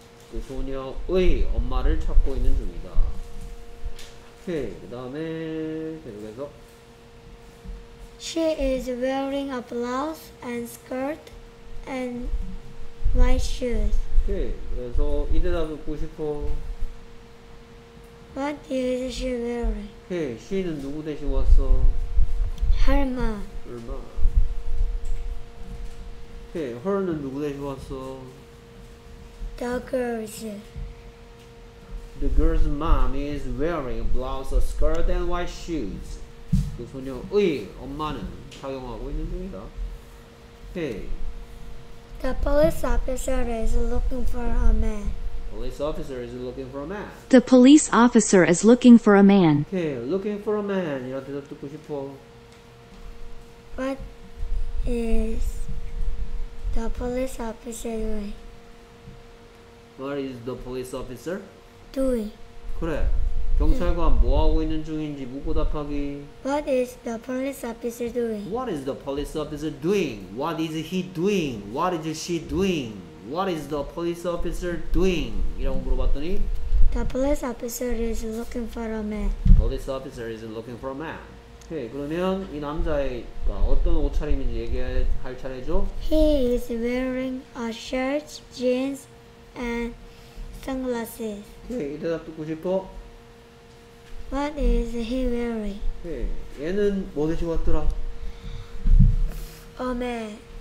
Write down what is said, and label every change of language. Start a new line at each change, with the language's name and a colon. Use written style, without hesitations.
Korean: 그 소녀의 엄마를 찾고 있는 중이다. 오케이. 그 다음에 계속해서.
English: She is wearing a blouse and skirt and white shoes.
Korean: Okay, 그래서 이 대답을 듣고 싶어.
English: What is she wearing?
Korean: Okay, she는 누구 대신 왔어?
English: Her mom. Her mom.
Korean: Okay, her는 누구 대신 왔어?
English: The girls. The girl's mom is wearing a blouse, a skirt, and white shoes.
Korean: 그 소녀의 엄마는 착용하고 있는 중이다.
English: Okay. The police officer is looking for a man. Police officer is looking for a man. The police officer is looking for a man. Okay, looking for a man.
Korean: 이런 대답 듣고 싶어.
English: What is the police officer doing? What is the police officer doing?
Korean: 그래. 경찰관 뭐 하고 있는 중인지 묻고 답하기.
English: What is the police officer doing? What is the police officer doing? What is he doing? What is she doing? What is the police officer doing?
Korean: 이라고 물어봤더니
English: The police officer is looking for a man. Police officer is looking for a man.
Korean: Okay, 그러면 이 남자가 어떤 옷차림인지 얘기할 차례죠?
English: He is wearing a shirt, jeans, and sunglasses.
Korean: Okay, 이 대답 듣고 싶어?
English: What is he wearing?
Korean: Okay, 얘는 뭐 대신 왔더라?
English: A man.